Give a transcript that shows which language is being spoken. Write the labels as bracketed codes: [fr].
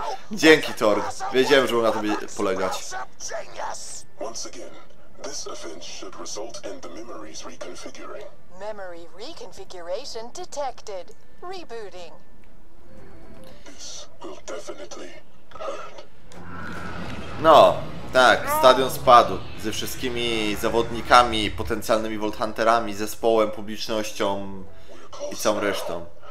[pl] Dzięki, Torg. Wiedziałem, że mogę na to polegać. [en] Once again, this event should result in the memories reconfiguring. Memory reconfiguration detected. Rebooting. This will definitely hurt. [pl] No, tak, stadion spadł ze wszystkimi zawodnikami, potencjalnymi Vault Hunterami, zespołem, publicznością i całą resztą.